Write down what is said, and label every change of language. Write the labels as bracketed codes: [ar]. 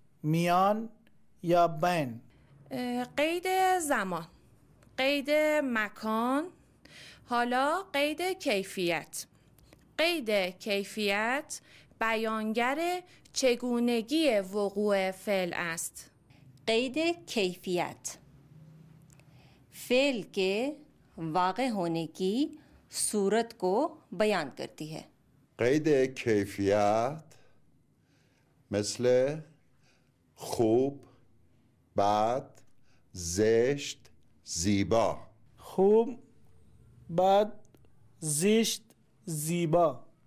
[fa] میان یا بین. قید زمان، قید مکان، حالا قید کیفیت. قید کیفیت بیانگر چگونگی وقوع فعل است. [ur] قید کیفیت فعل که واقع ہونے کی صورت کو بیان کرتی ہے. [fa] قید کیفیت مثل خوب، بد، زشت، زیبا. خوب، بد، زشت، زیبا.